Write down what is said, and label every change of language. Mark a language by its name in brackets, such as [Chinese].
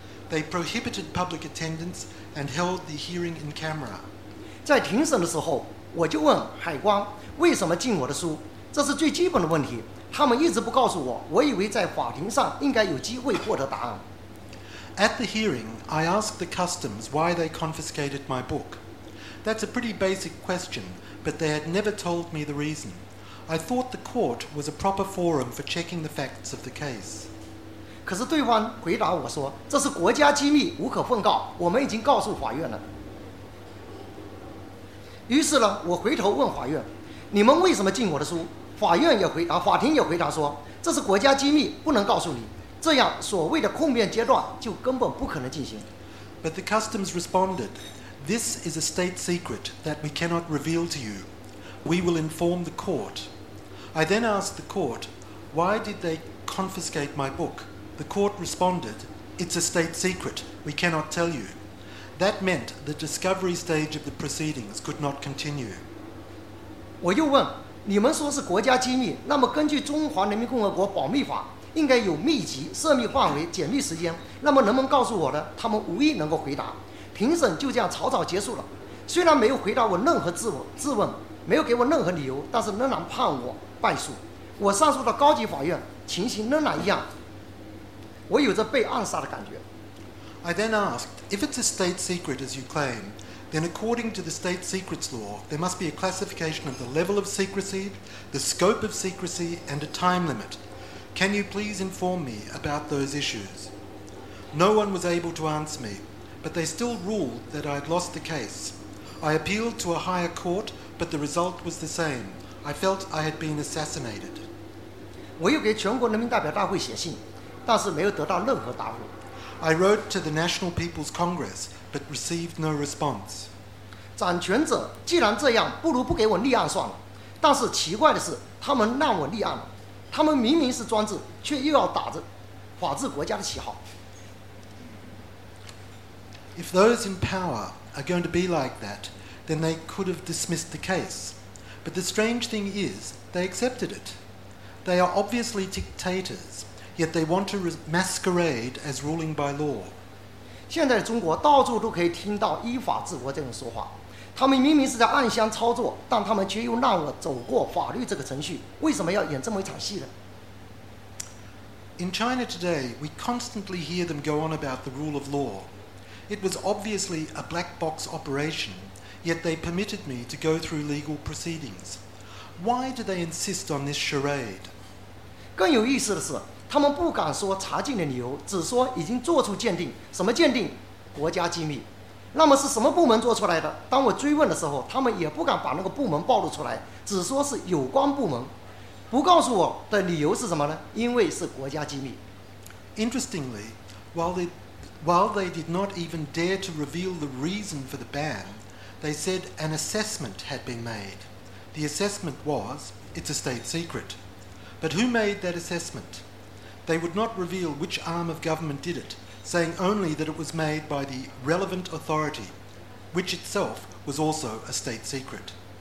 [English] They prohibited public attendance and held the hearing in camera. [Chinese] 在庭审的时候，我就问海关为什么禁我的书，这是最基本的问题。他们一直不告诉我，我以为在法庭上应该有机会获得答案。 [English] At the hearing, I asked the customs why they confiscated my book. That's a pretty basic question, but they had never told me the reason. I thought the court was a proper forum for checking the facts of the case. [Chinese] 可是对方回答我说，这是国家机密，无可奉告，我们已经告诉法院了。于是呢，我回头问法院，你们为什么禁我的书？法庭也回答说，这是国家机密，不能告诉你。这样所谓的控辩阶段就根本不可能进行。 [English] But the customs responded, this is a state secret that we cannot reveal to you. We will inform the court. I then asked the court, why did they confiscate my book? The court responded, it's a state secret, we cannot tell you. That meant the discovery stage of the proceedings could not continue. [Chinese] 我又问，你们说是国家机密，那么根据中华人民共和国保密法，应该有密集、涉密范围、解密时间，那么能不能告诉我呢？他们无一能够回答，庭审就这样草草结束了。虽然没有回答我任何质问，没有给我任何理由，但是仍然判我败诉。我上诉到高级法院，情形仍然一样，我有着被暗杀的感觉。 [English] I then asked, if it's a state secret as you claim, then according to the state secrets law, there must be a classification of the level of secrecy, the scope of secrecy, and a time limit. Can you please inform me about those issues? No one was able to answer me, but they still ruled that I had lost the case. I appealed to a higher court, but the result was the same. I felt I had been assassinated. [Chinese] 我又给全国人民代表大会写信，但是没有得到任何答复。 [English] I wrote to the National People's Congress, but received no response. [Chinese] 掌权者既然这样，不如不给我立案算了。但是奇怪的是，他们让我立案了。他们明明是专制，却又要打着法治国家的旗号。 [English] If those in power are going to be like that, then they could have dismissed the case. But the strange thing is, they accepted it. They are obviously dictators. Yet they want to masquerade as ruling by law. [Chinese] 现在中国到处都可以听到依法治国这种说话，他们明明是在暗箱操作，但他们却又让我走过法律这个程序，为什么要演这么一场戏呢？ [English] In China today, we constantly hear them go on about the rule of law. It was obviously a black box operation, yet they permitted me to go through legal proceedings. Why do they insist on this charade? [Chinese] 更有意思的是，他们不敢说查禁的理由，只说已经做出鉴定。什么鉴定？国家机密。那么是什么部门做出来的？当我追问的时候，他们也不敢把那个部门暴露出来，只说是有关部门。不告诉我的理由是什么呢？因为是国家机密。 [English] Interestingly, while they did not even dare to reveal the reason for the ban, they said an assessment had been made. The assessment was, it's a state secret. But who made that assessment? They would not reveal which arm of government did it, saying only that it was made by the relevant authority, which itself was also a state secret.